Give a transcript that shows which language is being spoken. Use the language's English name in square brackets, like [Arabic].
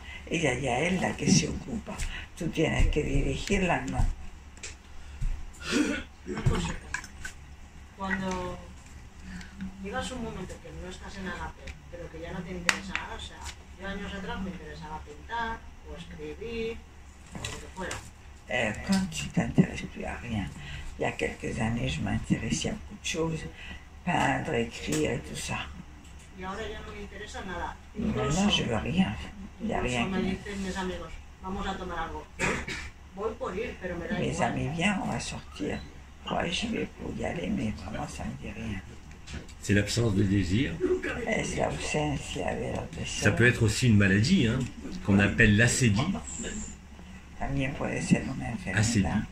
[Spanish] Ella ya es la que se ocupa. Tú tienes que dirigirla, ¿no? Cuando llegas un momento que no estás en agape, pero que ya no te interesa nada, o sea, yo años atrás me interesaba pintar, o escribir, o lo que fuera. [French] Quand tu t'intéresses plus à rien, il y a quelques années je m'intéressais à beaucoup de choses, peindre, écrire et tout ça. [Spanish] Y ahora ya no me interesa nada. Incluso, no, yo veo rien. Ya rien. Me dicen mis amigos, vamos a tomar algo. Voy por ir, pero me da igual. [French] Mis amis, bien, on va sortir. Ouais, je vais pour y aller, mais vraiment, ça ne me dit rien. C'est l'absence de désir. [Spanish] Es la ausencia de los deseos. [French] Ça peut être aussi une maladie, hein, qu'on appelle l'acédie. [Spanish] También puede ser una enfermedad.